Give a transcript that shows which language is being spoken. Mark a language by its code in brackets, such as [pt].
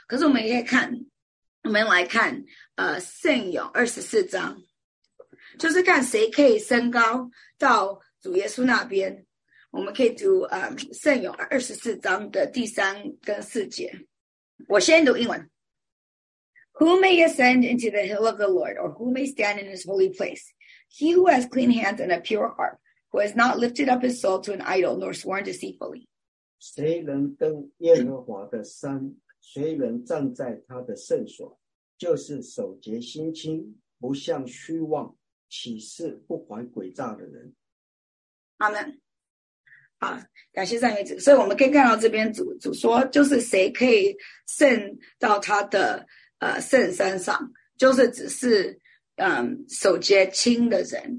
[zh] 可是我们也可以看，我们来看圣咏24章，就是看谁可以升高到主耶稣那边。我们可以读圣咏24章的3跟4节。我先读英文。 [en] Who may ascend into the hill of the Lord, or who may stand in his holy place? He who has clean hands and a pure heart, who has not lifted up his soul to an idol nor sworn deceitfully. [zh] 谁能登耶和华的山，谁能站在他的圣所，就是守节心清，不向虚妄起誓，不怀诡诈的人。阿门。好，感谢赞美主。所以我们可以看到这边主说，就是谁可以升到他的圣山上，就是只是守节清的人，